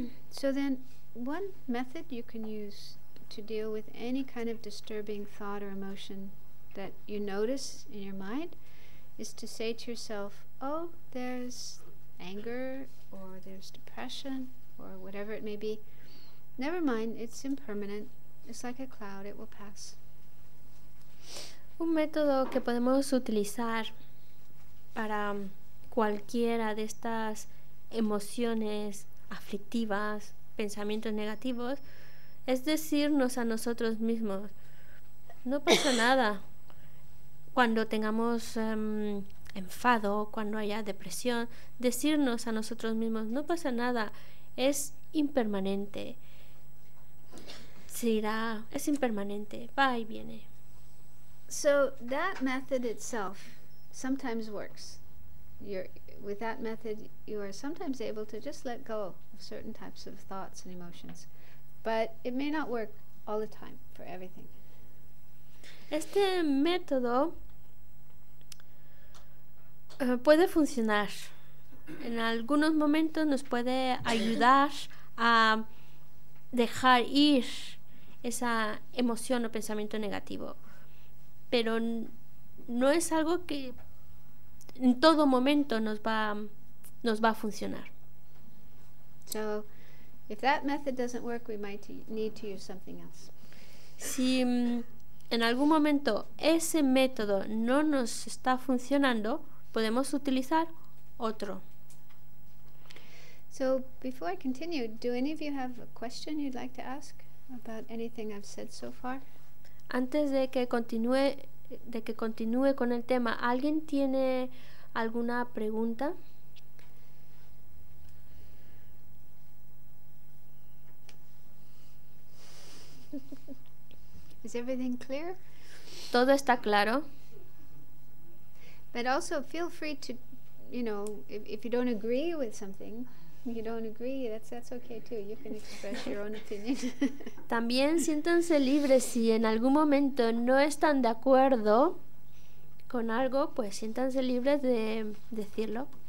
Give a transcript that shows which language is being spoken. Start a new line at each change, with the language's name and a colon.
English: So then, one method you can use to deal with any kind of disturbing thought or emotion that you notice in your mind is to say to yourself, oh, there's anger, or there's depression, or whatever it may be. Never mind, it's impermanent. It's like a cloud, it will pass.
Spanish: Un método que podemos utilizar para cualquiera de estas emociones aflictivas, pensamientos negativos, es decirnos a nosotros mismos, no pasa nada. Cuando tengamos enfado, cuando haya depresión, decirnos a nosotros mismos, no pasa nada, es impermanente. Se irá, es impermanente, va y viene.
English: So that method itself sometimes works. With that method, you are sometimes able to just let go of certain types of thoughts and emotions. But it may not work all the time for everything.
Spanish: Este método puede funcionar. En algunos momentos nos puede ayudar a dejar ir esa emoción o pensamiento negativo. Pero no es algo que en todo momento nos va a funcionar.
English: So, if that method doesn't work, we might need to use something else.
Spanish: Si en algún momento ese método no nos está funcionando, podemos utilizar otro.
English: So, before I continue, do any of you have a question you'd like to ask about anything I've said so far?
Spanish: Antes de que continúe con el tema, ¿alguien tiene alguna pregunta?
English: Is everything clear?
Spanish: Todo está claro.
English: But also feel free to, you know, if you don't agree with something, you don't agree, that's okay too. You can express your own opinion.
Spanish: También siéntanse libres si en algún momento no están de acuerdo con algo, pues siéntanse libres de decirlo.